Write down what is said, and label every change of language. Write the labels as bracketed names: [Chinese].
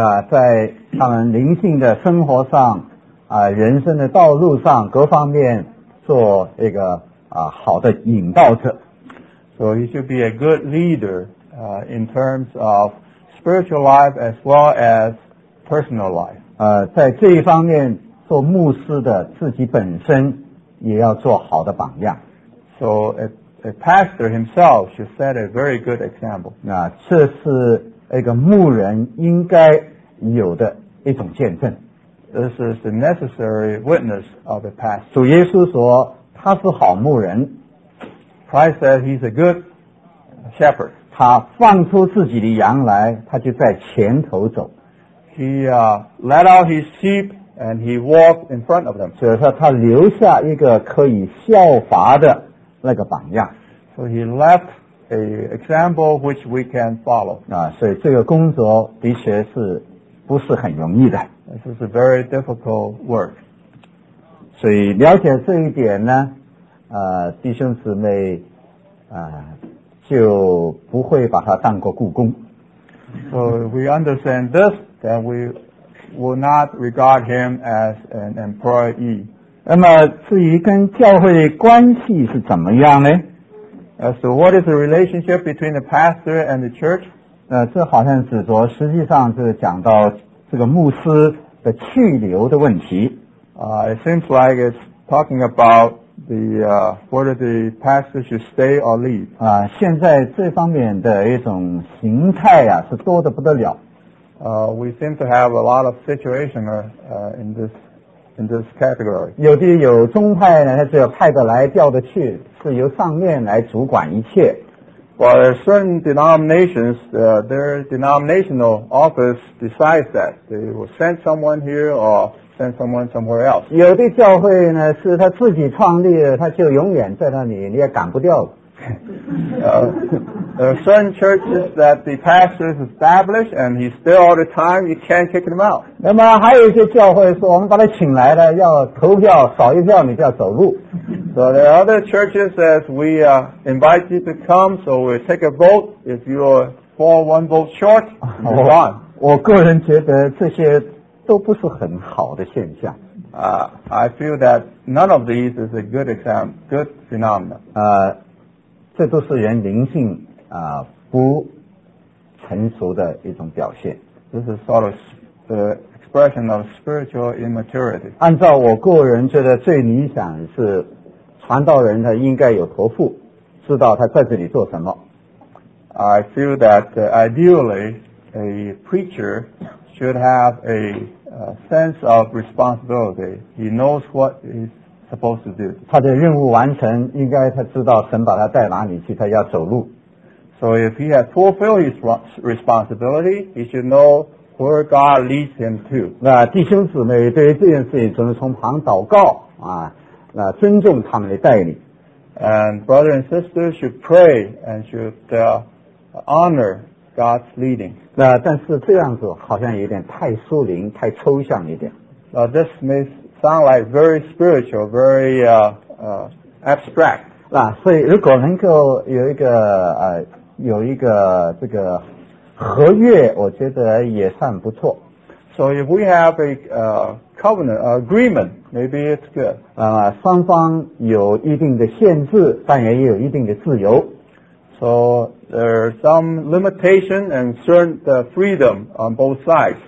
[Chinese] 在他们灵性的生活上人生的道路上各方面做一个好的引导者。 [English] So he should be a good leader in terms of spiritual life as well as personal life. [Chinese] 在这一方面做牧师的自己本身也要做好的榜样。 [English] So a pastor himself should set a very good example. [Chinese] 这是一个牧人应该有的一种见证。 [English] This is the necessary witness of a pastor. [Chinese] 主耶稣说他是好牧人。 [English] Christ said he's a good shepherd. [Chinese] 他放出自己的羊来他就在前头走。 [English] He let out his sheep and he walked in front of them. [Chinese] 所以说他留下一个可以效法的那个榜样。 [English] So he left an example which we can follow. [Chinese] 所以这个工作的确是不是很容易的。 [English] This is a very difficult work. [Chinese] 所以了解这一点呢弟兄姊妹就不会把他当过雇工。 [English] So we understand this, then we will not regard him as an employee. [Chinese] 那么至于跟教会的关系是怎么样呢？ [English] So what is the relationship between the pastor and the church? [Chinese] 这好像指着实际上是讲到这个牧师的去留的问题。 [English] It seems like it's talking about the whether the pastor should stay or leave. [Chinese] 现在这方面的一种形态啊是多得不得了。 [English] We seem to have a lot of situation in this category. [Chinese] 有的有宗派呢他就派得来调得去是由上面来主管一切。 [English] Well, there are certain denominations, their denominational office decides that. They will send someone here or send someone somewhere else. [Chinese] 有的教会呢是他自己创立的他就永远在那里你也赶不掉。 [English] There are certain churches that the pastor is established and he's still all the time, you can't kick him out. [Chinese] 那么还有一些教会说我们把他请来了要投票少一票你就要走路。 [English] So there are other churches that we invite you to come, so we'll take a vote. If you fall one vote short, you're gone. [Chinese] 我个人觉得这些都不是很好的现象。 [English] I feel that none of these is a good phenomenon. [Chinese] 这都是人灵性不成熟的一种表现。 [English] This is sort of the expression of spiritual immaturity. [Chinese] 按照我个人觉得最理想是传道人他应该有托付知道他在这里做什么。 [English] I feel that ideally a preacher should have a sense of responsibility. He knows what he's supposed to do. [Chinese] 他的任务完成，应该他知道神把他带哪里去，他要走路。 [English] So if he has fulfilled his responsibility, he should know where God leads him to. [Chinese] 那弟兄姊妹对于这件事情，总是从旁祷告啊，那尊重他们的带领。 [English] And brother and sister should pray and should honor God's leading. [Chinese] 那但是这样子好像有点太疏离，太抽象一点。 [English] This may sound like very spiritual, very abstract. [Chinese] 那所以如果能够有一个有一个这个合约，我觉得也算不错。 [English] So if we have a covenant, agreement, maybe it's good. [Chinese] 双方有一定的限制，但也有一定的自由。 [English] So there are some limitation and certain freedom on both sides.